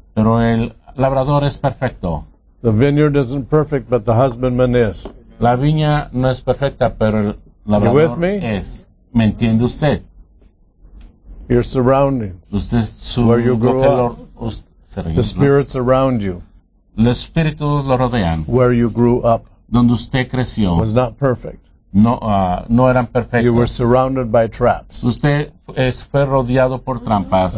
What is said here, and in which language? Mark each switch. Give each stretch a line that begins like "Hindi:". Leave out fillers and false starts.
Spanish: Pero el labrador es perfecto.
English: The vineyard isn't perfect, but the husbandman is.
Spanish: La viña no es perfecta, pero el labrador
English: you with me?
Spanish: Es. ¿Me entiende usted?
English: Your surroundings.
Spanish: Usted, su,
English: where you grew
Spanish: lo,
English: up. The spirits around you.
Spanish: Los espíritus lo rodean.
English: Where you grew up.
Spanish: Donde usted creció.
English: Was not perfect.
Spanish: No, no eran perfectos.
English: You were surrounded by traps.
Spanish: Usted fue rodeado por trampas.